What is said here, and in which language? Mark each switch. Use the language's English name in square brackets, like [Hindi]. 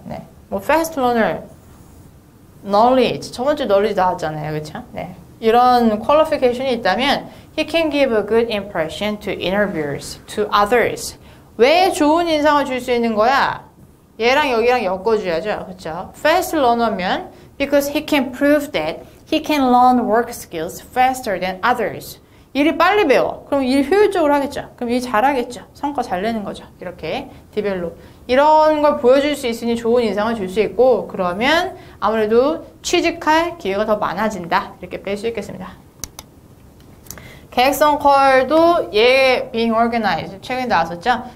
[Korean] 네. 뭐 fast learner, knowledge, 저번 주에 knowledge 나왔잖아요. 그렇죠? 네. 이런 qualification이 있다면 [English] he can give a good impression to interviewers, to others. [Korean] 왜 좋은 인상을 줄 수 있는 거야? 얘랑 여기랑 엮어줘야죠. 그렇죠? [English] fast learner면 because he can prove that he can learn work skills faster than others. [Korean] 일이 빨리 배워. 그럼 일 효율적으로 하겠죠. 그럼 일 잘하겠죠. 성과 잘 내는 거죠. 이렇게 디벨롭. 이런 걸 보여줄 수 있으니 좋은 인상을 줄 수 있고, 그러면 아무래도 취직할 기회가 더 많아진다. 이렇게 뺄 수 있겠습니다. 계획성 컬도 예, [English] being organized. [Korean] 최근에 나왔었죠.